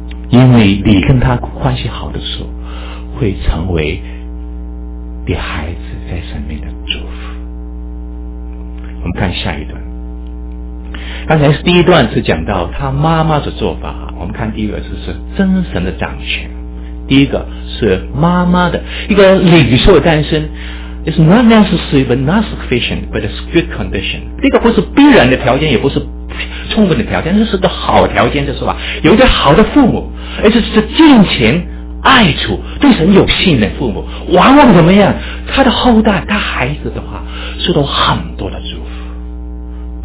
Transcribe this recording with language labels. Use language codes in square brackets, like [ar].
[zh] 因为你跟他关系好的时候，会成为你孩子在神面的祝福。我们看下一段，刚才是第一段是讲到他妈妈的做法，我们看第二次是真神的掌权。第一个是妈妈的一个领袖的诞生， [en] It's not necessary but not sufficient but it's good condition。 [zh] 这个不是必然的条件，也不是充分的条件，这是个好条件，就是吧，有一个好的父母，而且是敬虔爱主对神有信的父母，往往怎么样，他的后代他孩子的话受到很多的祝福。